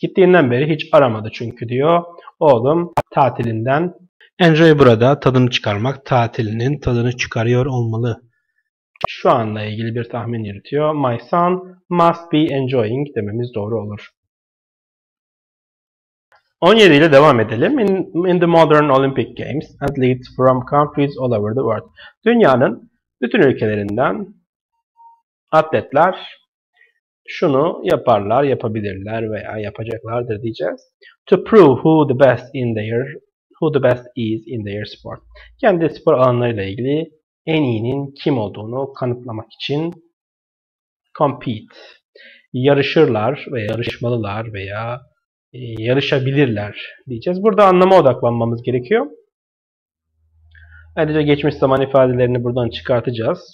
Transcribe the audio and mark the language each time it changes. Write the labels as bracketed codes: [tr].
[tr] Gittiğinden beri hiç aramadı çünkü diyor. Oğlum tatilinden. Enjoy burada tadını çıkarmak, tatilinin tadını çıkarıyor olmalı. Şu anla ilgili bir tahmin yürütüyor. [en] My son must be enjoying [tr] dememiz doğru olur. 17 ile devam edelim. [en] In the modern Olympic Games, athletes from countries all over the world. [tr] Dünyanın bütün ülkelerinden atletler şunu yaparlar, yapabilirler veya yapacaklardır diyeceğiz. [en] To prove who the best in their who the best is in their sport. [tr] Kendi spor alanlarıyla ilgili en iyinin kim olduğunu kanıtlamak için compete. Yarışırlar veya yarışmalılar veya yarışabilirler diyeceğiz. Burada anlama odaklanmamız gerekiyor. Ayrıca geçmiş zaman ifadelerini buradan çıkartacağız.